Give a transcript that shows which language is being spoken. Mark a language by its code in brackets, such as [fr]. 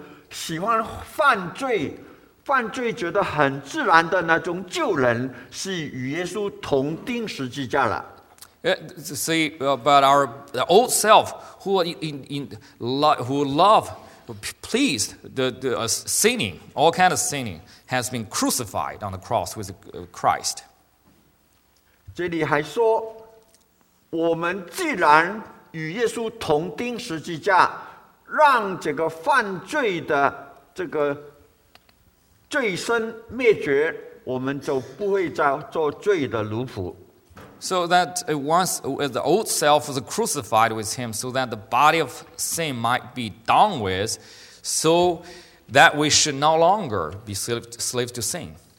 [zh] 请你转第六节。这里说，我们没有信主以前，哪一种喜欢犯罪？犯罪觉得很自然的那种旧人，是与耶稣同钉十字架了。 [en] See, but our old self, who in who love, pleased the sinning, all kind of sinning, has been crucified on the cross with Christ. [zh] 这里还说，我们既然与耶稣同钉十字架，让这个犯罪的这个 罪身灭绝，我们就不会再做罪的奴仆。 [en] So that once the old self was crucified with him, so that the body of sin might be done with, so that we should no longer be slaves to sin.